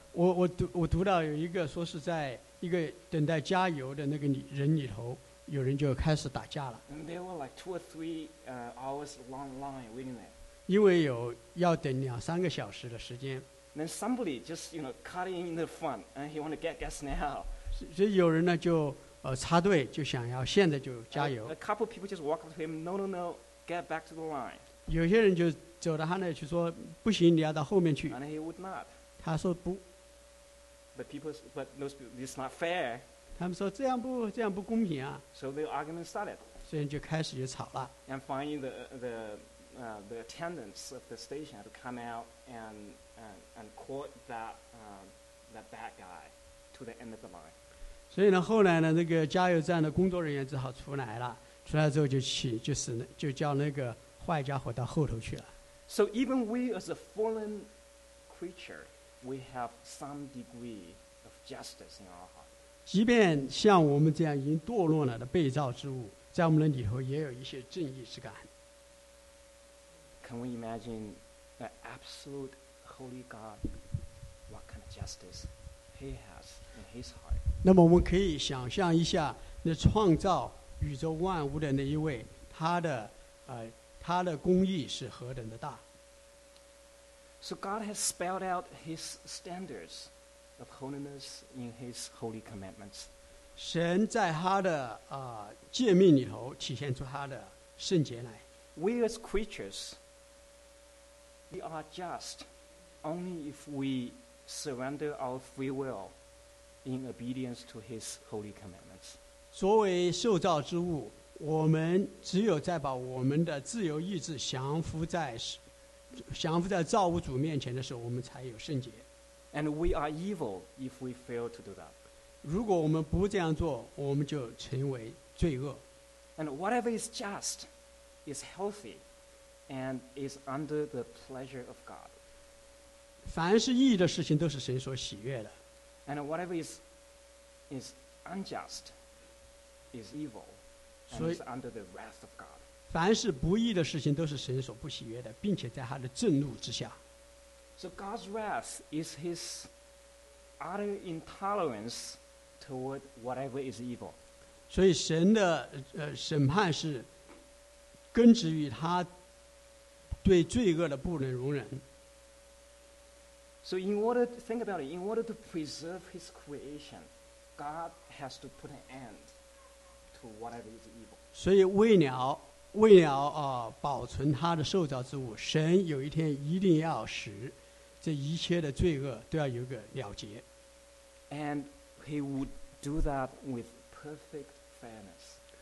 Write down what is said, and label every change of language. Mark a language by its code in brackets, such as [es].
[zh] 我读到有一个说是在一个等待加油的那个人里头，有人就开始打架了。 [en] There were like two or three hours long line waiting there. [zh] 因为有要等两三个小时的时间。 [en] Then somebody just you know cutting in the front and he want to get gas now. [zh] 所以有人呢就插队，就想要现在就加油。 [en] A couple people just walk up to him, no, get back to the line. [zh] 有些人就走到他那去说不行，你要到后面去。 [en] And he would not. [zh] 他说不 [en] but those people, it's not fair. [zh] 他们说这样不公平啊。 [en] So the argument started. [zh] 所以就开始就吵了。 [en] And finally the attendants of the station had to come out and court that bad guy to the end of the line. [zh] 所以呢，后来呢，那个加油站的工作人员只好出来了。出来之后就叫那个坏家伙到后头去了。 [en] So even we as a fallen creature. We have some degree of justice in our heart. [zh] 即便像我们这样已经堕落了的被造之物，在我们的里头也有一些正义之感。 [en] Can we imagine the absolute holy God? What kind of justice He has in His heart? [zh] 那么我们可以想象一下，那创造宇宙万物的那一位，他的公义是何等的大。 [en] So God has spelled out his standards of holiness in his holy commandments. [zh] 神在他的诫命里头体现出他的圣洁来。 [en] We as creatures, we are just only if we surrender our free will in obedience to his holy commandments. [zh] 作为受造之物，我们只有在把我们的自由意志降服在造物主面前的时候，我们才有圣洁。 [en] And we are evil if we fail to do that. [zh] 如果我们不这样做，我们就成为罪恶。 [en] And whatever is just, is healthy, and is under the pleasure of God. [zh] 凡是义的事情都是神所喜悦的。 [en] And whatever is unjust, is evil, and is under the wrath of God. [zh] 凡是不义的事情都是神所不喜悦的，并且在他的震怒之下。 [en] So God's wrath is his utter intolerance toward whatever is evil. [zh] 所以神的审判是根植于他对罪恶的不能容忍。 [en] So in order to think about it, in order to preserve his creation, God has to put an end to whatever is evil. [zh] 所以为了保存他的受造之物，神有一天一定要使这一切的罪恶都要有个了结。 [en] And he would do that with perfect fairness.